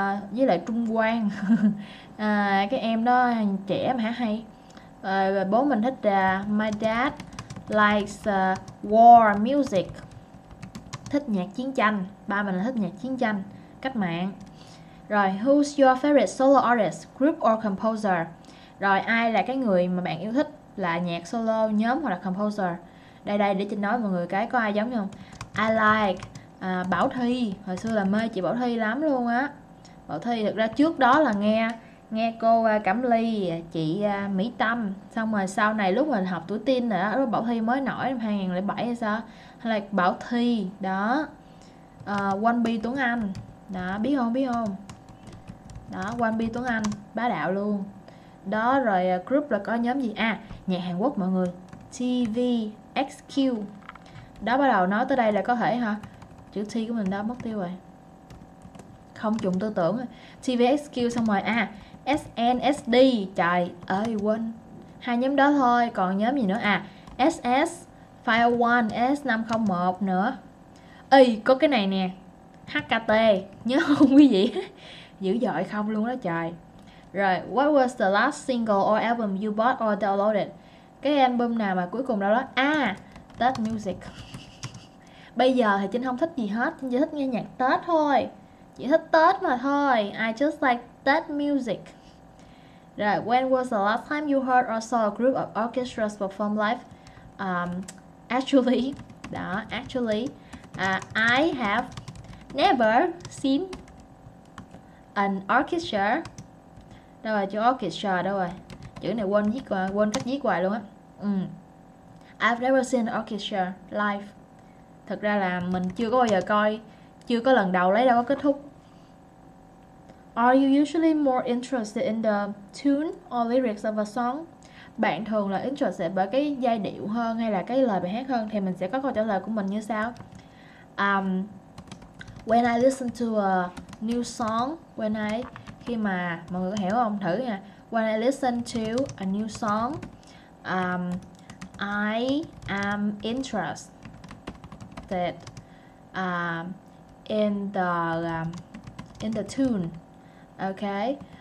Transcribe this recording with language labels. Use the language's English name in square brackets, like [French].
[Vietnamese] Với lại Trung Quang. cái em đó trẻ mà hả hay. Bố mình thích [English] my dad likes war music. [Vietnamese] Thích nhạc chiến tranh, ba mình là thích nhạc chiến tranh, cách mạng. [English] Rồi, who's your favorite solo artist, group or composer? [Vietnamese] Rồi, ai là cái người mà bạn yêu thích là nhạc solo, nhóm hoặc là composer? Đây đây, để Trinh nói mọi người cái có ai giống không? [English] I like Bảo Thy, [Vietnamese] hồi xưa là mê chị Bảo Thy lắm luôn á. Bảo Thy thực ra trước đó là nghe cô Cẩm Ly, chị Mỹ Tâm. Xong rồi sau này lúc mình học tuổi teen nữa, lúc Bảo Thy mới nổi năm 2007 hay sao, là Bảo Thy đó, One B Tuấn Anh đó, biết không, biết không đó, One B Tuấn Anh bá đạo luôn đó. Rồi group là có nhóm gì, à nhạc Hàn Quốc mọi người, TVXQ đó. Bắt đầu nói tới đây là có thể hả, chữ T của mình đã mất tiêu rồi, không trùng tư tưởng. TVXQ xong rồi, à SNSD, trời ơi quên hai nhóm đó thôi, còn nhóm gì nữa, à SS File 1, S501 nữa. Ê, có cái này nè, HKT, nhớ không quý vị? Dữ dội không luôn đó trời. [English] Rồi, what was the last single or album you bought or downloaded? [Vietnamese] Cái album nào mà cuối cùng đó đó? À, Tết Music. Bây giờ thì Trinh không thích gì hết, Trinh chỉ thích nghe nhạc Tết thôi. Chỉ thích Tết mà thôi, [English] I just like Tết Music. Rồi, when was the last time you heard or saw a group of orchestras perform live? Actually, I have never seen an orchestra. [Vietnamese] Đâu rồi chữ orchestra, đâu rồi chữ này, quên cách viết hoài luôn á. [English] I've never seen an orchestra live. [Vietnamese] Thực ra là mình chưa có bao giờ coi, chưa có lần đầu lấy đâu có kết thúc. [English] Are you usually more interested in the tune or lyrics of a song? [Vietnamese] Bạn thường là interested bởi cái giai điệu hơn hay là cái lời bài hát hơn? Thì mình sẽ có câu trả lời của mình như sau. [English] When I listen to a new song, [Vietnamese] mọi người có hiểu không? Thử nha. [English] When I listen to a new song, I am interested in the tune. Okay?